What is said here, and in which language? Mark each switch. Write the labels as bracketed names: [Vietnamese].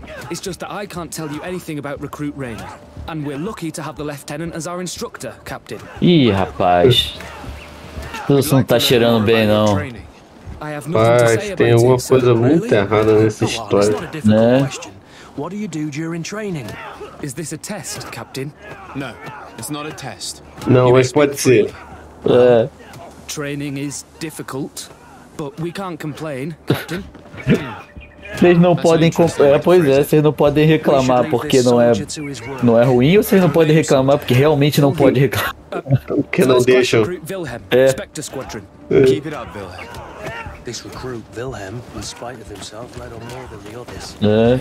[English] It's just that I can't tell you anything about recruit Rainer. And we're lucky to have the lieutenant as our instructor, Captain. [Portuguese] Ih, rapaz. Isso não tá cheirando bem, não. Rapaz, tem alguma coisa muito errada nessa história, né? [English] What do you do during training? Is this a test, Captain? No, it's not a test. [Portuguese] Não, mas pode ser. É. [English] Training is difficult, but we can't complain, Captain. [Portuguese] Vocês não podem complain, pois é, vocês não podem reclamar porque não é ruim, ou vocês não podem reclamar porque realmente não pode reclamar. Porque não deixam. [English] Wilhelm, Spectre Squadron. Keep it up, Wilhelm. This recruit Wilhelm, in spite of himself, led on more than the others.